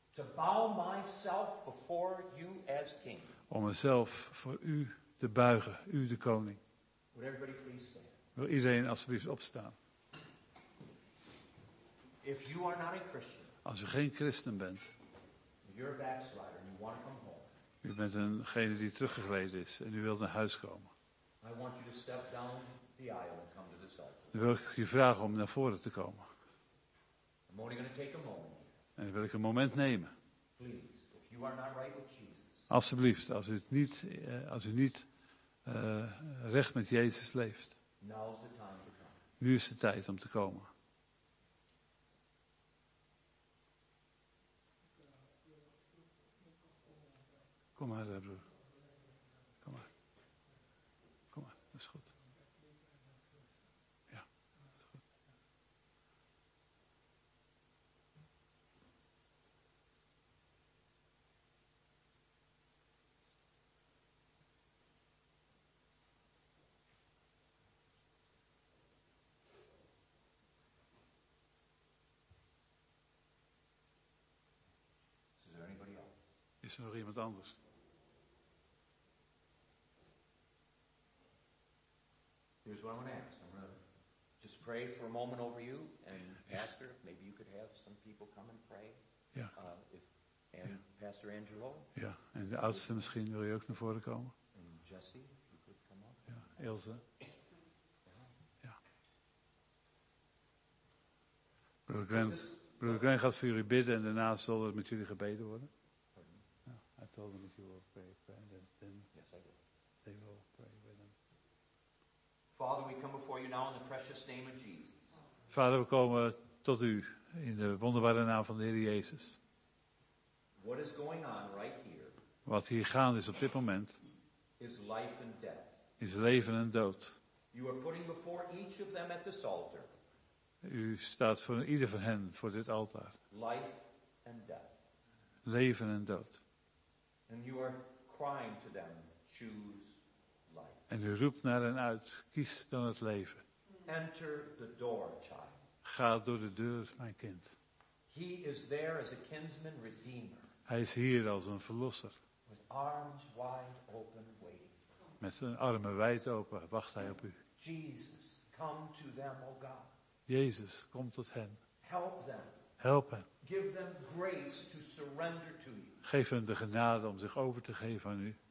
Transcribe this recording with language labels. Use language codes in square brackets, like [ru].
[en] To bow myself before you as king. [nl] Om mezelf voor u te buigen, u de koning. [en] Would everybody please stand? [nl] Wil iedereen alsjeblieft opstaan? [en] If you are not a Christian, [nl] als u geen christen bent, [en] you're a backslider and you want to come home. [nl] U bent eengene die teruggegleden is en u wilt naar huis komen. [en] I want you to step down the aisle and come to the side. [nl] Dan wil ik u vragen om naar voren te komen. [en] I'm only going to take a moment. [nl] En dan wil ik een moment nemen. [en] Please, if you are not right with Jesus. [nl] Alsjeblieft, als u niet recht met Jezus leeft. [en] Now is the time to come. [nl] Nu is de tijd om te komen. Kom maar, broer. Kom maar, dat is goed. Is er nog iemand anders? [en] Here's what I'm going to ask. I'm going to just pray for a moment over you and Pastor. Maybe you could have some people come and pray. [nl] Ja. Pastor Angelo. Ja. En de oudste misschien wil je ook naar voren komen. [en] And Jesse, you could come up. [nl] Ja. Ilse. Ja. Broer Glenn gaat voor jullie bidden en daarna zal het met jullie gebeden worden. [en] I told them that you will pray for them, and then yes, I will. They will pray with them. Father, we come before you now in the precious name of Jesus. [nl] Vader, we komen tot u in de wonderbare naam van de Heer Jezus. [en] What is going on right here? [nl] Wat hier gaande is op dit moment [en] is life and death. [nl] Is leven en dood. [en] You are putting before each of them at this altar. [nl] U staat voor ieder van hen voor dit altaar. [en] Life and death. [nl] Leven en dood. [en] And you are crying to them, choose life. [nl] En u roept naar hen uit, kies dan het leven. [en] Enter the door, child. [nl] Ga door de deur, mijn kind. [en] He is there as a kinsman redeemer. [nl] Hij is hier als een verlosser. [en] With arms wide open waiting. [nl] Met zijn armen wijd open, wacht hij op u. [en] Jesus, come to them, O God. [nl] Jezus, kom tot hen. [en] Help them. [nl] Help hen. [en] Give them grace to surrender to you. [nl] Geef hen de genade om zich over te geven aan u.